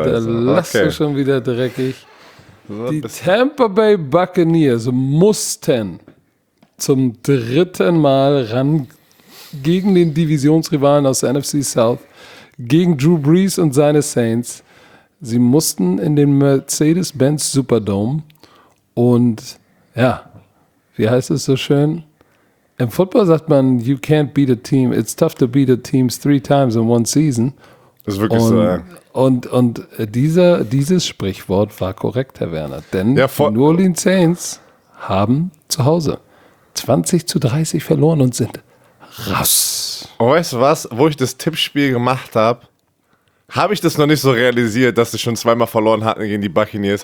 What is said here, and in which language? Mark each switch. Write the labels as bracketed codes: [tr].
[de] Da lass du schon wieder dreckig. Die Tampa Bay Buccaneers mussten zum dritten Mal ran gegen den Divisionsrivalen aus der NFC South, gegen Drew Brees und seine Saints. Sie mussten in den Mercedes-Benz Superdome und ja, wie heißt es so schön? Im Football sagt man, [en] you can't beat a team, it's tough to beat a team 3 times in 1 season. [de] Das ist wirklich so. Und dieses Sprichwort war korrekt, Herr Werner. Denn ja, die New Orleans Saints haben zu Hause 20-30 verloren und sind raus. Und weißt du was? Wo ich das Tippspiel gemacht habe, habe ich das noch nicht so realisiert, dass sie schon 2 Mal verloren hatten gegen die Buccaneers.